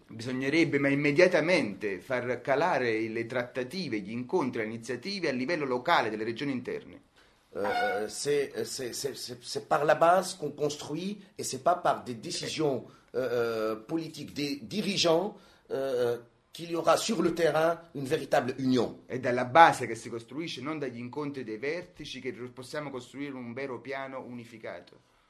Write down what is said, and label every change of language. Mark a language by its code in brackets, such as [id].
[it] Bisognerebbe ma immediatamente far calare le trattative, gli incontri, le iniziative a livello locale delle regioni interne. [fr] C'est par la base qu'on construit et c'est pas par des décisions politiques des dirigeants qu'il y aura sur le terrain une véritable union. [it] È dalla base che si costruisce, non dagli incontri dei vertici, che possiamo costruire un vero piano unificato.